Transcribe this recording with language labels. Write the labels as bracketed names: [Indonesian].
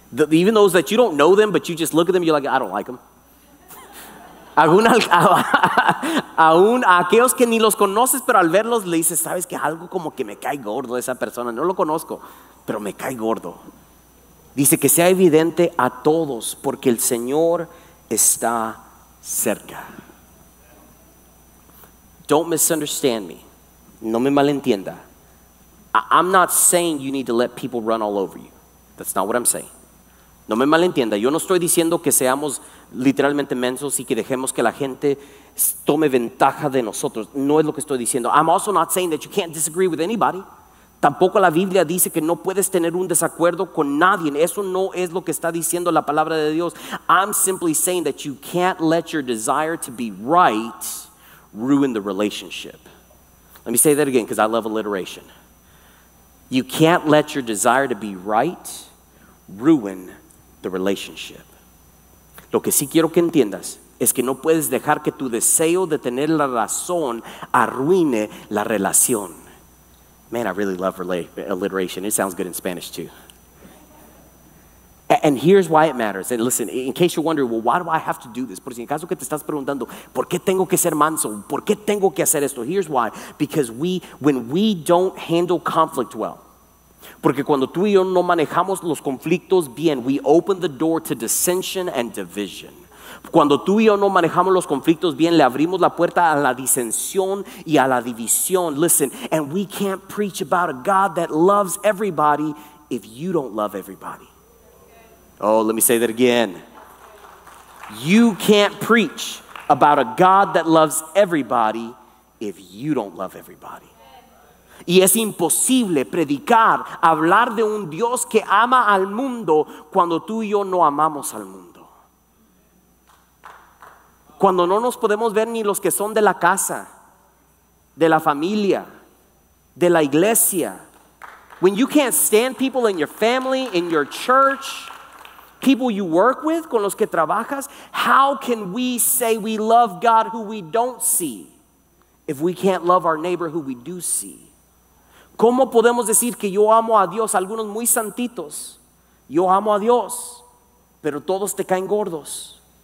[English] Even those that you don't know them, but you just look at them, you're like, I don't like them. [Spanish] Aún a aquellos que ni los conoces, pero al verlos le dices, sabes que algo como que me cae gordo esa persona. No lo conozco, pero me cae gordo. Dice que sea evidente a todos porque el Señor está cerca. [English] Don't misunderstand me. [Spanish] No me malentienda. [English] I'm not saying you need to let people run all over you. That's not what I'm saying. [Spanish] No me malentienda. Yo no estoy diciendo que seamos literalmente mensos y que dejemos que la gente tome ventaja de nosotros. No es lo que estoy diciendo. [English] I'm also not saying that you can't disagree with anybody. [Spanish] Tampoco la Biblia dice que no puedes tener un desacuerdo con nadie. Eso no es lo que está diciendo la palabra de Dios. [English] I'm simply saying that you can't let your desire to be right ruin the relationship. Let me say that again because I love alliteration. You can't let your desire to be right ruin the relationship. [Spanish] Lo que sí quiero que entiendas es que no puedes dejar que tu deseo de tener la razón arruine la relación. [English] Man, I really love alliteration. It sounds good in Spanish too. And here's why it matters. And listen, in case you're wondering, well, why do I have to do this? [Spanish] Por si en caso que te estás preguntando, ¿por qué tengo que ser manso? ¿Por qué tengo que hacer esto? [English] Here's why. Because when we don't handle conflict well, [Spanish] porque cuando tú y yo no manejamos los conflictos bien, [English] we open the door to dissension and division. [Spanish] Cuando tú y yo no manejamos los conflictos bien, le abrimos la puerta a la disensión y a la división. [English] Listen, and we can't preach about a God that loves everybody if you don't love everybody. Oh, let me say that again. You can't preach about a God that loves everybody if you don't love everybody. [Spanish] Y es imposible predicar, hablar de un Dios que ama al mundo cuando tú y yo no amamos al mundo. Cuando no nos podemos ver ni los que son de la casa, de la familia, de la iglesia. [English] When you can't stand people in your family, in your church, people you work with, [Spanish] con los que trabajas, [English] how can we say we love God who we don't see if we can't love our neighbor who we do see? [Spanish] ¿Cómo podemos decir que yo amo a Dios? Algunos muy santitos. Yo amo a Dios, pero todos te caen gordos.